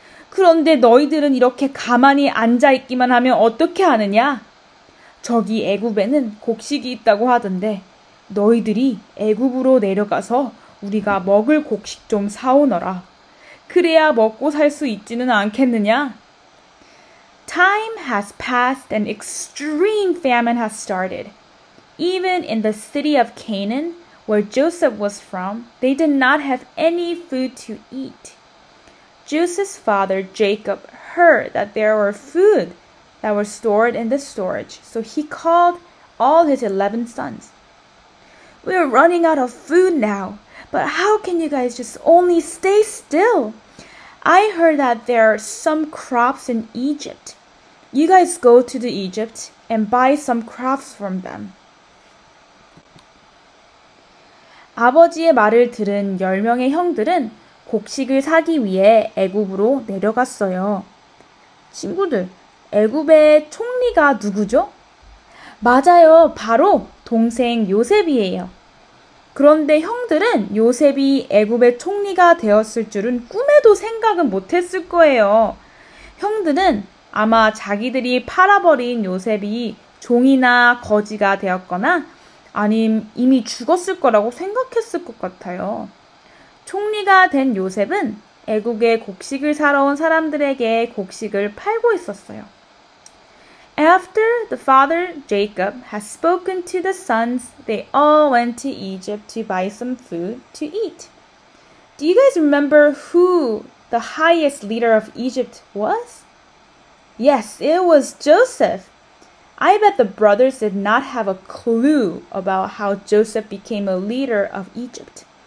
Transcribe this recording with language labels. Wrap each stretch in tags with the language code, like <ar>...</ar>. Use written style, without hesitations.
<ko>그런데 너희들은 이렇게 가만히 앉아있기만 하면 어떻게 하느냐? 저기 애굽에는 곡식이 있다고 하던데 너희들이 애굽으로 내려가서 우리가 먹을 곡식 좀 사오너라. 그래야 먹고 살 수 있지는 않겠느냐?</ko> <en>Time has passed and extreme famine has started. Even in the city of Canaan, where Joseph was from, they did not have any food to eat. Joseph's father Jacob heard that there were food that was stored in the storage, so he called all his 11 sons. We are running out of food now, but how can you guys just only stay still? I heard that there are some crops in Egypt. You guys go to the Egypt and buy some crops from them.</en> <ko>아버지의 말을 들은 10명의 형들은 곡식을 사기 위해 애굽으로 내려갔어요. 친구들, 애굽의 총리가 누구죠? 맞아요, 바로 동생 요셉이에요. 그런데 형들은 요셉이 애굽의 총리가 되었을 줄은 꿈에도 생각은 못했을 거예요. 형들은 아마 자기들이 팔아버린 요셉이 종이나 거지가 되었거나 아님 이미 죽었을 거라고 생각했을 것 같아요. 총리가 된 요셉은 애굽에 곡식을 사러 온 사람들에게 곡식을 팔고 있었어요.</ko> <en>After the father Jacob had spoken to the sons, they all went to Egypt to buy some food to eat. Do you guys remember who the highest leader of Egypt was? Yes, it was Joseph. I bet the brothers did not have a clue about how Joseph became a leader of Egypt.</en>